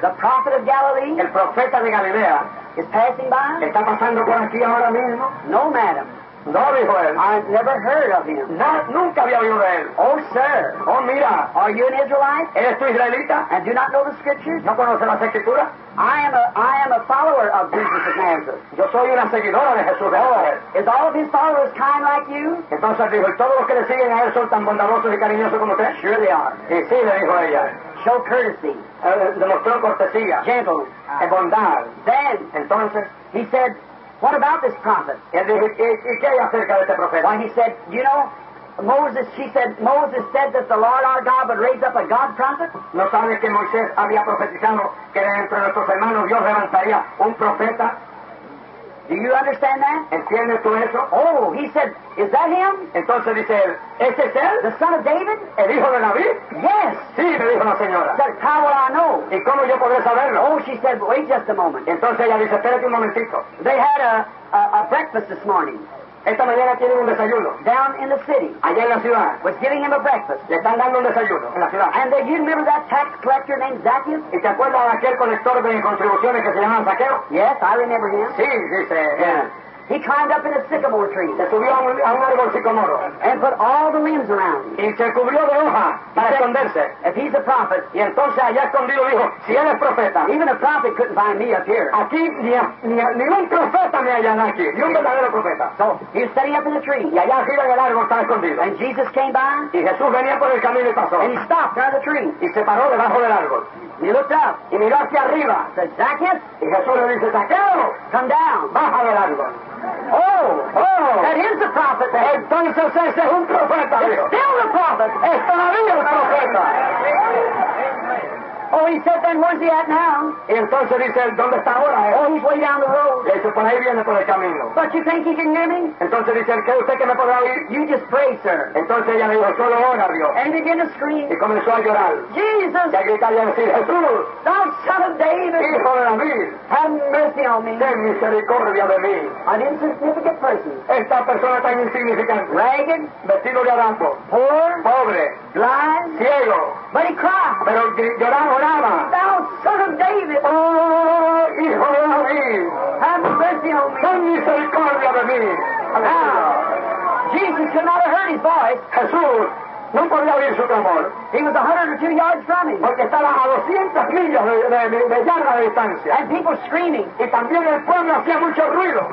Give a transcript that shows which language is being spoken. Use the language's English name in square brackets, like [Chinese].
[English] the prophet of Galilee, [Spanish] el profeta de Galilea, [English] is passing by? [Spanish] ¿Está pasando por aquí ahora mismo? [English] No, madam. [Spanish] No, dijo él. [English] I've never heard of him. [Spanish] No, nunca había oído de él. [English] Oh, sir. [Spanish] Oh, mira. [English] Are you an Israelite? [Spanish] ¿Eres tú israelita? [English] And do not know the scriptures? [Spanish] ¿No conoces las escrituras? [English] I am a follower of Jesus of Nazareth. [Spanish] Yo soy una seguidora de Jesús de Nazaret. [English] Is all of his followers kind like you? [Spanish] Entonces dijo, ¿todos los que le siguen a él son tan bondadosos y cariñosos como usted? [English] Sure they are. [Spanish] Y sí, le dijo ella. [English] Show courtesy. [Spanish] Demostró cortesía. [English] Gentleness. [Spanish] Es bondad. [English] Then, [Spanish] entonces, [English] he said, what about this prophet? [Spanish] Él dijo, ¿y qué hay acerca de este profeta? [English] Why, he said, you know, Moses, she said, Moses said that the Lord our God would raise up a God prophet. [Spanish] ¿No sabes que Moisés había profetizado que entre nuestros hermanos Dios levantaría un profeta? [English] Do you understand that? [Spanish] ¿Entiendes tú eso? [English] Oh, he said, is that him? [Spanish] Entonces dice él, ¿ese es él? [English] The son of David? [Spanish] ¿El hijo de David? [English] Yes. [Spanish] Sí, me dijo la señora. [English] Said, how will I know? [Spanish] ¿Y cómo yo podré saberlo? [English] Oh, she said, wait just a moment. [Spanish] Entonces ella dice, espérate un momentito. [English] They had a breakfast this morning. [Spanish] Esta mañana tienen un desayuno. [English] Down in the city. [Spanish] Allá en la ciudad. [English] Was giving him a breakfast. [Spanish] Le están dando un desayuno en la ciudad. [English] And you remember that tax collector named Zacchaeus? [Spanish] ¿Y te acuerdas de aquel colector de contribuciones que se llamaba Zaqueo? [English] Yes, I remember him. [Spanish] Sí, dice él. [English] Yeah. He climbed up in a sycamore tree. [Spanish] Se subió a un árbol sicomoro. [English] And put all the limbs around him. [Spanish] Y se cubrió de hoja para esconderse. [English] If he's a prophet. [Spanish] Y entonces allá escondido dijo, si él es profeta. [English] Even a prophet couldn't find me up here. [Spanish] Aquí ni un profeta me hallan aquí. Ni un verdadero profeta. [English] So he was standing up in the tree. [Spanish] Y allá arriba del árbol estaba escondido. [English] And Jesus came by. [Spanish] Y Jesús venía por el camino y pasó. [English] And he stopped under the tree. [Spanish] Y se paró debajo del árbol. [English] And he looked up. [Spanish] Y miró hacia arriba. [English] Said, Zacchaeus. [Spanish] Y Jesús le dice, Zaqueo. [English] Come down. [Spanish] Baja del árbol. [English] Oh, that is a prophet. Then. [Spanish] Entonces ese es un profeta. [English] It's still a prophet. [Spanish] Es todavía un profeta. [English] Oh, he said, then where's he at now? [Spanish] Y entonces dice, ¿dónde está ahora? [English] Oh, he's way down the road. [Spanish] Y dice, por ahí viene por el camino. [English] But you think he can hear me? [Spanish] Entonces dice, ¿qué usted que me podrá oír? [English] You just pray, sir. [Spanish] Entonces ella le dijo, solo ora, Dios. [English] And he began to scream. [Spanish] Y comenzó a llorar. [English] Jesus. [Spanish] Y a gritar y a decir, Jesús. [English] Thou son of David. [Spanish] Hijo de David. [English] Have mercy on me. [Spanish] Ten misericordia de mí. [English] An insignificant person. [Spanish] Esta persona tan insignificante. [English] Ragged. [Spanish] Vestido de harapo. [English] Poor. [Spanish] Pobre. [English] Blind. [Spanish] Ciego. [English] But he cried. [Spanish] Pero lloraba. [English] Thou son of David. [Spanish] Oh, hijo de David. [English] Have mercy on me. [Spanish] Ten misericordia de mí. [English] Now, Jesus could not have heard his voice. [Spanish] Jesús no podía oír su clamor. [English] He was 102 yards from him. [Spanish] Porque estaba a 200 millas de yarda de distancia. [English] And people screaming. [Spanish] Y también el pueblo hacía mucho ruido.